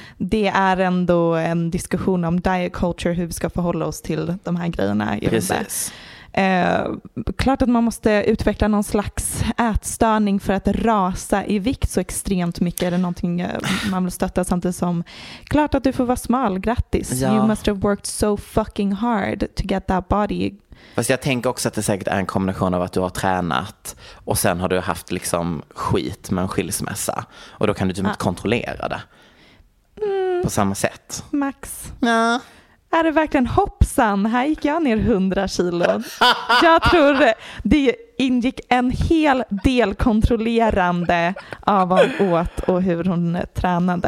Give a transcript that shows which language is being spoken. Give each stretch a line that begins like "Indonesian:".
Swedish: Det är ändå en diskussion om diet culture, hur vi ska förhålla oss till de här grejerna. Precis. Klart att man måste utveckla någon slags ätstörning för att rasa i vikt så extremt mycket. Är det någonting man vill stötta, samtidigt som klart att du får vara smal, grattis. Ja.
English: You must have worked so fucking hard to get that body.
Swedish: Fast jag tänker också att det säkert är en kombination av att du har tränat och sen har du haft liksom skit med en skilsmässa, och då kan du typ inte kontrollera det på samma sätt. Max. Ja. Är det verkligen hoppsan? Här gick jag ner 100 kilo. Jag tror det ingick en hel del kontrollerande av vad hon åt och hur hon tränade.